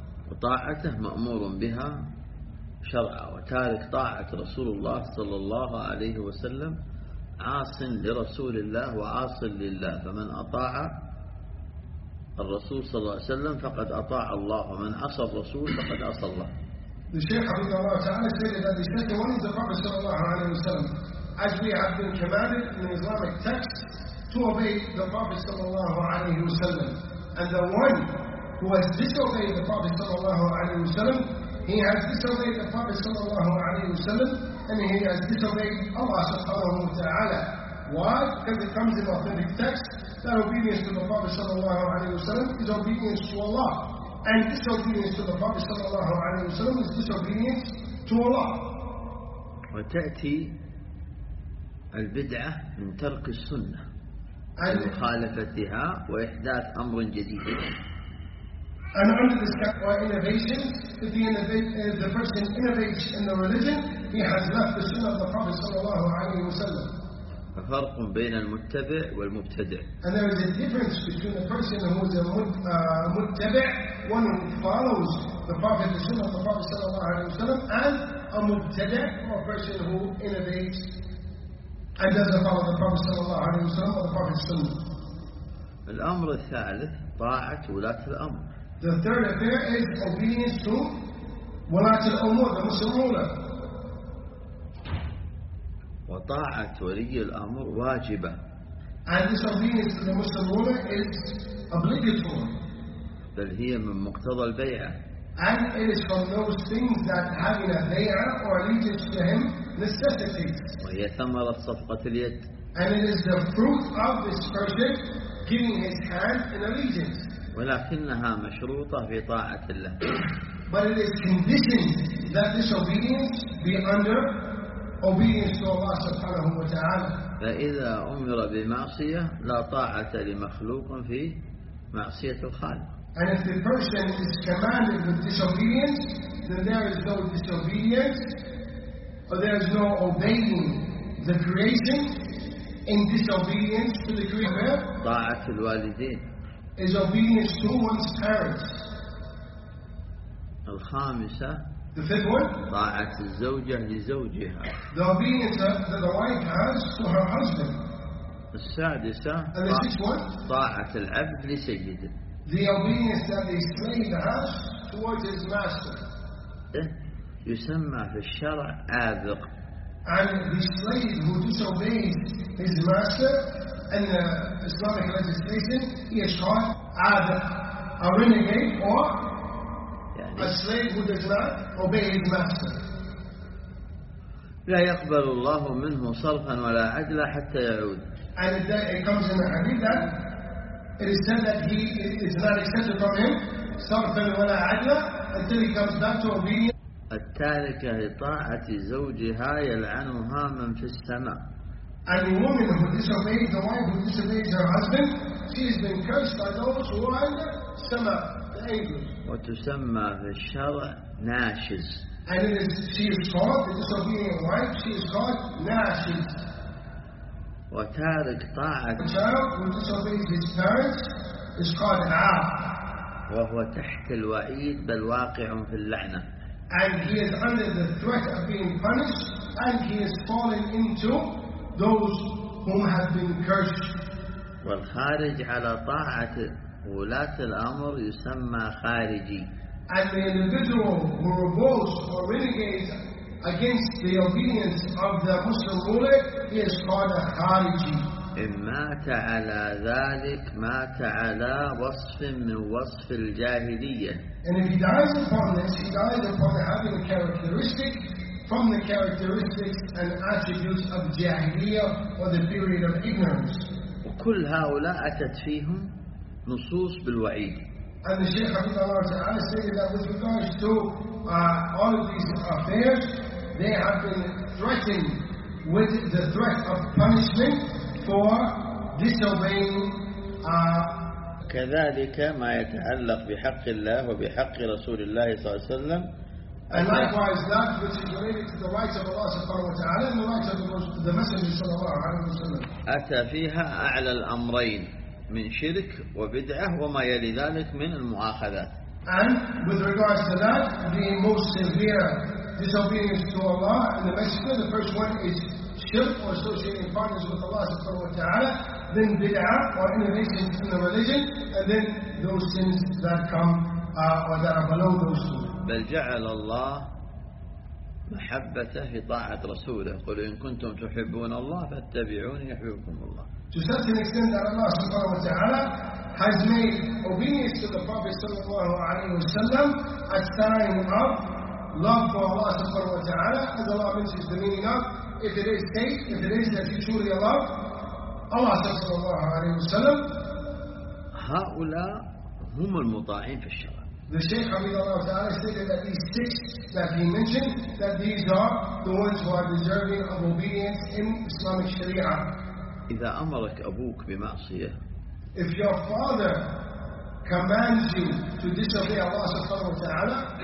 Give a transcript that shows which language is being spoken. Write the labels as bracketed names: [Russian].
[Arabic] وطاعته مأمور بها شرعا، وتارك طاعة رسول الله صلى الله عليه وسلم عاص لرسول الله وعاص لله، فمن أطاع الرسول صلى الله عليه وسلم فقد أطاع الله، ومن عصى الرسول فقد عصى الله. [English] The Shaykh Habibullah Ta'ala stated that the second one is the Prophet Sallallahu Alaihi Wasallam. As we have been commanded in Islamic texts to obey the Prophet Sallallahu Alaihi Wasallam. And the one who has disobeyed the Prophet Sallallahu Alaihi Wasallam, he has disobeyed the Prophet Sallallahu Alaihi Wasallam, and he has disobeyed Allah Subhanahu Wa Ta'ala. Why? Because it comes in authentic text that obedience to the Prophet Sallallahu Alaihi Wasallam is obedience to Allah. And disobedience to the Prophet sallallahu alaihi wasallam is disobedience to Allah. [Arabic] وتأتي البدعة من ترك السنة ومخالفتها وإحداث أمر جديد. [English] And under this category, innovation, if the person innovates in the religion, he has left the sunnah of the Prophet sallallahu alaihi wasallam. [Arabic] ففرق بين المتبع والمبتدع. [English] And there is a difference between a person who is a متبع, one who follows the Prophet, the Sunnah of the Prophet sallallahu alaihi wasallam, and a مبتدع, or a person who innovates and doesn't follow the Prophet sallallahu alaihi wasallam or the Prophet's Sunnah. [Arabic] الأمر الثالث طاعة ولاة الأمر. [English] The third affair is obedience to [Arabic] ولاة الأمور, [English] the Muslim ruler. [Arabic] وطاعة ولي الأمر واجبة. [English] And this obedience to the Muslim ruler is obligatory. [Arabic] بل هي من مقتضى البيعة. [English] And it is from those things that having a bay'ah or allegiance to him necessitates. [Arabic] وهي ثمرة صفقة اليد. [English] And it is the fruit of this person giving his hand in allegiance. [Arabic] ولكنها مشروطة في طاعة الله. [English] But it is conditioned that this obedience be under obedience to Allah subhanahu wa ta'ala. [Arabic] فإذا أمر بمعصية لا طاعة لمخلوق في معصية الخالق. [English] And if the person is commanded with disobedience, then there is no disobedience, or there is no obeying the creation in disobedience to the creator. [Arabic] طاعة الوالدين. [English] Is obedience to one's parents. [Arabic] الخامسة. [English] The fifth one. [Arabic] طاعة الزوجة لزوجها. [English] The obedience that the wife has to her husband. [Arabic] السادسة. [English] And the sixth one. [Arabic] طاعة العبد لسيده. [English] The obedience that the slave has towards his master. [Arabic] يسمى في الشرع عابق. [English] And the slave who disobeys his master, [Arabic] أن [English] Islamic legislation is called either a renegade or a slave who does not obey his master. [Arabic] لا يقبل الله منه صرفا ولا عدلا حتى يعود. [English] And it comes in the hadith that it is said that he is not accepted from him [Arabic] صرفا ولا عدلا [English] until he comes back to obedience. [Arabic] التالكة لطاعة زوجها يلعنها من في السماء. [English] And the woman who disobeys the wife who disobeys her husband, she has been cursed by those who are in the سماء, the angels. [Arabic] وتسمى في الشرع ناشز. [English] And it is, she is called, the disobedient wife, she is called Nashis. [Arabic] وتارك طاعة [English] the child who disobeys his parents is called an Aab. [Arabic] وهو تحت الوعيد بل واقع في اللعنة. [English] And he is under the threat of being punished and he is falling into those whom have been cursed. [Arabic] والخارج على طاعة ولاة الأمر يسمى خارجي. [English] And the individual who revolts or renegades against the obedience of the Muslim ruler, he is called a khariji. [Arabic] إن مات على ذلك مات على وصف من وصف الجاهلية. [English] And if he dies upon this, he dies upon having a characteristic from the characteristics and attributes of jahiliyyah or the period of ignorance. [Arabic] وكل هؤلاء أتت فيهم نصوص بالوعيد. [English] And the Shaykh of Allah Ta'ala stated that with regards to all of these affairs, they have been threatened with the threat of punishment for disobeying. [Arabic] كذلك ما يتعلق بحق الله وبحق رسول الله صلى الله عليه وسلم. [English] And likewise that which is related to the rights of Allah Subhanahu wa Ta'ala and the rights of the Messenger [Arabic] صلى الله عليه وسلم. أتى فيها أعلى الأمرين. من شرك وبدعة وما يلي ذلك من المؤاخذات. [English] And with regards to that, the most severe disobedience to Allah and the Messenger, the first one is shirk or associating partners with Allah subhanahu wa ta'ala, then bid'ah or innovation in the religion, and then those sins that come or that are below those two. [Arabic] بل جعل الله محبته في طاعة رسوله قل إن كنتم تحبون الله فاتبعوني يحبكم الله. [English] To such an extent that Allah subhanahu wa ta'ala has made obedience to the Prophet sallallahu alayhi wa sallam a sign of love for Allah subhanahu wa ta'ala, as Allah mentions the meaning of if it is hate, if it is that you truly love Allah sallallahu alayhi wa sallam. [Arabic] هؤلاء هم المطاعين في الشرع. [English] The Shaykh Habibullah ta'ala stated that these six that he mentioned, that these are the ones who are deserving of obedience in Islamic Sharia. [Arabic] إذا أمرك أبوك بمعصية. [English] If your father commands you to disobey Allah [Arabic] سبحانه وتعالى.